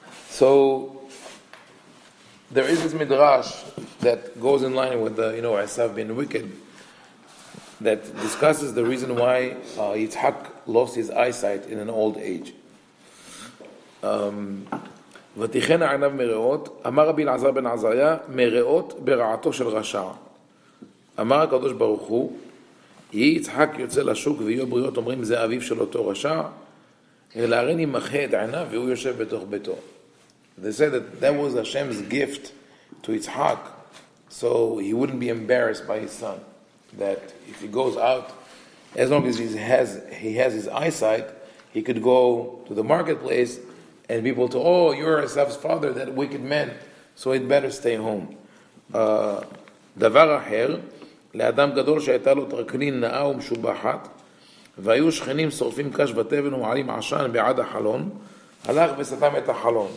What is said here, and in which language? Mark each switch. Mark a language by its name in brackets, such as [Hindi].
[English] So there is this midrash that goes in line with Esav being wicked, that discusses the reason why Yitzhak lost his eyesight in an old age. [Hebrew] ותיכן עיניו מראות, אמר רבי אלעזר בן עזריה, מראות ברעתו של רשע. אמר הקדוש ברוך הוא, יהיה יצחק יוצא לשוק ויהיו בריאות, אומרים זה אביו של אותו רשע, אלא הרי נמחה את עיניו והוא יושב בתוך ביתו. [English] They said that that was Hashem's gift to Yitzhak, so he wouldn't be embarrassed by his son. That if he goes out, as long as he has his eyesight, he could go to the marketplace and people told, oh, you're Esav's father, that wicked man, so he'd better stay home. [Hebrew] דבר אחר, לאדם גדול שהייתה לו תרקלין נאה ומשובחת, והיו שכנים שורפים קש בתבן ומעלים עשן בעד החלון, הלך וסתם את החלון.